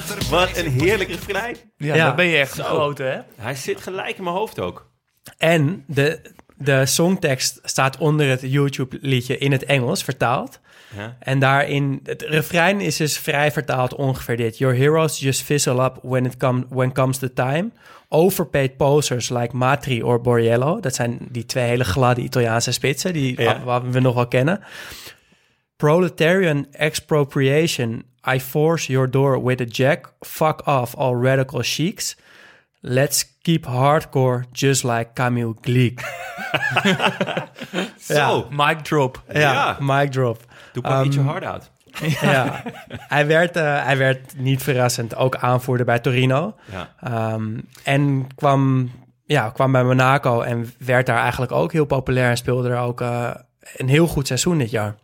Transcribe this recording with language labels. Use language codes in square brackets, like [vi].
[nl] Wat een heerlijke refrein. Ja, dan ben je echt groot, hè? Hij zit gelijk in mijn hoofd ook. En de songtekst staat onder het YouTube-liedje in het Engels, vertaald. Ja. En daarin, het refrein is dus vrij vertaald ongeveer dit. [en] Your heroes just fizzle up when comes the time. Overpaid posers like Matri or Borriello. [nl] Dat zijn die twee hele gladde Italiaanse spitsen, die we nog wel kennen. [en] Proletarian expropriation. I force your door with a jack. Fuck off all radical chics. Let's keep hardcore just like Camille Gleek. [nl] Zo. Ja. [en] Mic drop. [nl] Ja, mic drop. Doe maar ietsje hard uit. Ja, hij werd niet verrassend ook aanvoerder bij Torino. Ja. En kwam bij Monaco en werd daar eigenlijk ook heel populair en speelde er ook een heel goed seizoen dit jaar.